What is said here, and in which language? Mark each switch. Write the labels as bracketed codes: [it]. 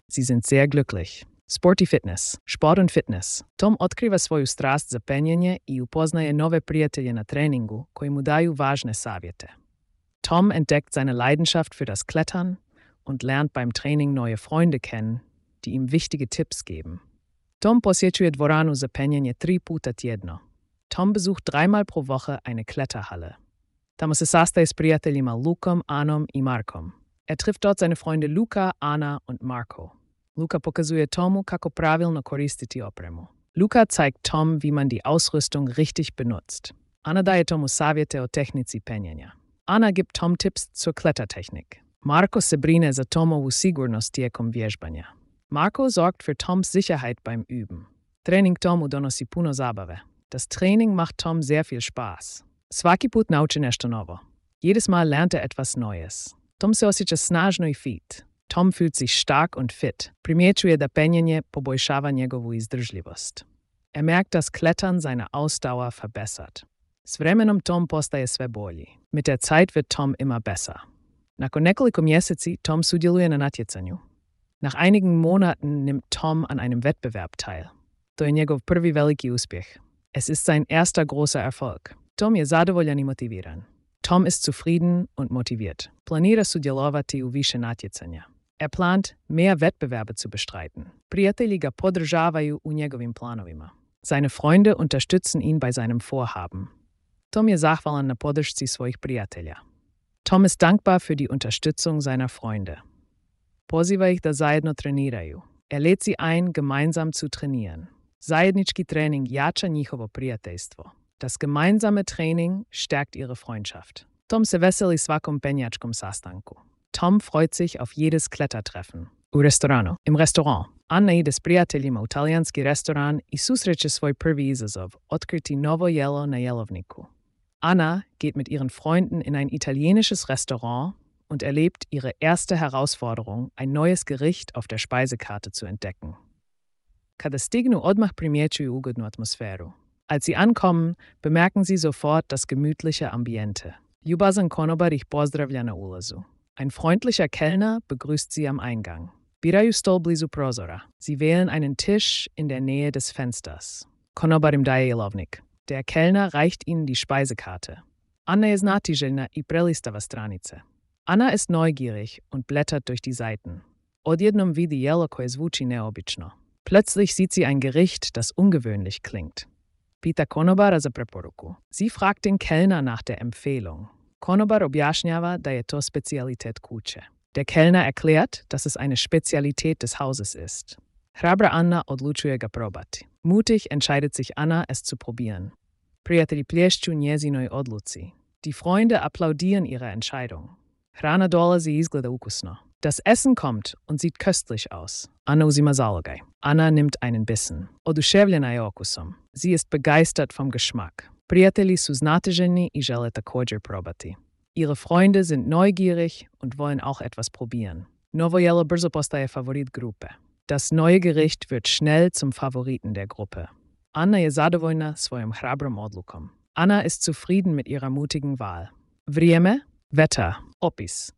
[de] Sie sind sehr glücklich. Sporty Fitness. Sport und Fitness. [hr] Tom otkriva svoju strast za penjanje i upoznaje nove prijatelje na treningu koji mu daju važne savjete. [de] Tom entdeckt seine Leidenschaft für das Klettern und lernt beim Training neue Freunde kennen, die ihm wichtige Tipps geben. [hr] Tom posjećuje dvoranu za penjanje tri puta tjedno. [de] Tom besucht dreimal pro Woche eine Kletterhalle. [hr] Tamo se sastaje s prijateljima Lukom, Anom i Markom. [de] Er trifft dort seine Freunde Luka, Ana und Marko. [hr] Luka pokazuje Tomu kako pravilno koristiti opremu. [de] Luka zeigt Tom, wie man die Ausrüstung richtig benutzt. [hr] Ana daje Tomu savjete o tehnici penjanja. [de] Ana gibt Tom Tipps zur Klettertechnik. [hr] Marko se brine za Tomovu sigurnost tijekom vježbanja. [de] Marko sorgt für Toms Sicherheit beim Üben. [hr] Trening Tomu donosi puno zabave. [de] Das Training macht Tom sehr viel Spaß. [hr] Svaki put nauči nešto novo. [de] Jedes Mal lernt er etwas Neues. Tom se osjeća snažno i fit. Tom fühlt sich stark und fit. [hr] Primjećuje da penjanje poboljšava njegovu izdržljivost. [de] Er merkt, dass Klettern seine Ausdauer verbessert. [hr] S vremenom Tom postaje sve bolji. [de] Mit der Zeit wird Tom immer besser. [hr] Nakon nekoliko mjeseci Tom sudjeluje na natjecanju. [de] Nach einigen Monaten nimmt Tom an einem Wettbewerb teil. [hr] To je njegov prvi veliki uspjeh. [de] Es ist sein erster großer Erfolg. [hr] Tom je zadovoljan i motiviran. [de] Tom ist zufrieden und motiviert. [hr] Planira sudjelovati u više natjecanja. [de] Er plant, mehr Wettbewerbe zu bestreiten. [hr] Prijatelji ga podržavaju u njegovim planovima. [de] Seine Freunde unterstützen ihn bei seinem Vorhaben. [hr] Tom je zahvalan na podršci svojih prijatelja. [de] Tom ist dankbar für die Unterstützung seiner Freunde. [hr] Poziva ih da zajedno treniraju. [de] Er lädt sie ein, gemeinsam zu trainieren. [hr] Zajednički trening jača njihovo prijateljstvo. [de] Das gemeinsame Training stärkt ihre Freundschaft. [hr] Tom se veseli svakom penjačkom sastanku. [de] Tom freut sich auf jedes Klettertreffen. [hr] U restoranu. [de] Im Restaurant. [hr] Anna ide s prijateljima u talijanski restoran i susreće svoj prvi izazov, otkriti novo jelo na jelovniku. [de] Anna geht mit ihren Freunden in ein italienisches Restaurant und erlebt ihre erste Herausforderung, ein neues Gericht auf der Speisekarte zu entdecken. [hr] Kada stignu odmah primjećuju ugodnu atmosferu. [de] Als sie ankommen, bemerken sie sofort das gemütliche Ambiente. [hr] Ljubazan konobar ih pozdravlja na ulazu. [de] Ein freundlicher Kellner begrüßt sie am Eingang. [hr] Biraju stol blizu prozora. [de] Sie wählen einen Tisch in der Nähe des Fensters. [hr] Konobar im daje jelovnik. [de] Der Kellner reicht ihnen die Speisekarte. [hr] Anna je znatiželjna i prelistava stranice. [de] Anna ist neugierig und blättert durch die Seiten. [hr] Odjednom vidi jelo koje zvuči neobično. [de] Plötzlich sieht sie ein Gericht, das ungewöhnlich klingt. [hr] Pita konobara za preporuku. [de] Sie fragt den Kellner nach der Empfehlung. [hr] Konobar objašnjava da je to specialitet kuće. [de] Der Kellner erklärt, dass es eine Spezialität des Hauses ist. [hr] Hrabra Anna odlučuje ga probati. [de] Mutig entscheidet sich Anna, es zu probieren. [hr] Prijatelji plješću njezinoj odluci. [de] Die Freunde applaudieren ihre Entscheidung. [hr] Hrana dolazi izgleda ukusno. [de] Das Essen kommt und sieht köstlich aus. [hr] Anna uzima zalogaj. [de] Anna nimmt einen Bissen. [hr] Oduševljena je okusom. [de] Sie ist begeistert vom Geschmack. [hr] Prijatelji su znatiželjni i žele također probati. [de] Ihre Freunde sind neugierig und wollen auch etwas probieren. [hr] Novo jelo brzo postaje favorit grupe. [de] Das neue Gericht wird schnell zum Favoriten der Gruppe. [hr] Anna je zadovoljna svojom hrabrom odlukom. [de] Anna ist zufrieden mit ihrer mutigen Wahl. [hr] Vrijeme? Veta. Opis.